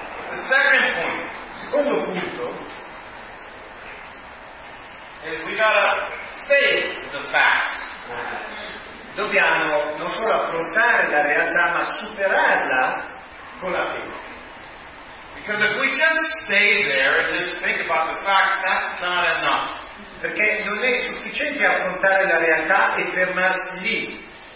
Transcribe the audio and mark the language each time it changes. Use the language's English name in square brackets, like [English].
[English] The second point. [Italian] Secondo punto. [English] Is we gotta face the facts. [Italian] Dobbiamo non solo affrontare la realtà ma superarla con la fede. [English] Because if we just stay there and just think about the facts, that's not enough. [Italian] Perché non è sufficiente affrontare la realtà e fermarsi lì.